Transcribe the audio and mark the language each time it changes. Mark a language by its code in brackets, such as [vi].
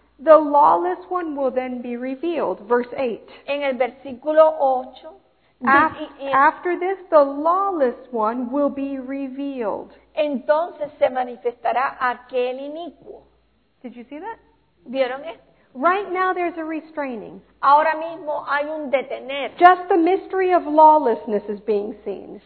[en] The lawless one will then be revealed. Verse 8. [es] En el versículo 8. [en] After this, the lawless one will be revealed. [es] Entonces se manifestará aquel inicuo. [en] Did you see that? [es] ¿Vieron esto? [en] Right now there's a restraining. [es] Ahora mismo hay un detener. [en] Just the mystery of lawlessness is being seen.